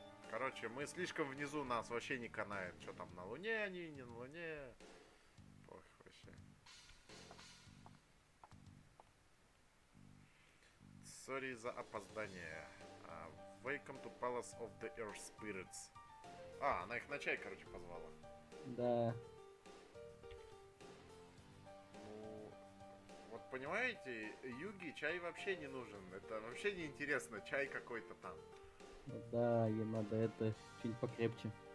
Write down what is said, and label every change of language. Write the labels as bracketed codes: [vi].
[ru] Короче, мы слишком внизу, нас вообще не канает. Что там, на Луне они, не на Луне. Пох, вообще. Sorry за опоздание. [en] Welcome to Palace of the Earth Spirits. [ru] А, она их на чай, короче, позвала. Да. Вот понимаете, Юги чай вообще не нужен. Это вообще не интересно, чай какой-то там. Да, ей надо это чуть покрепче.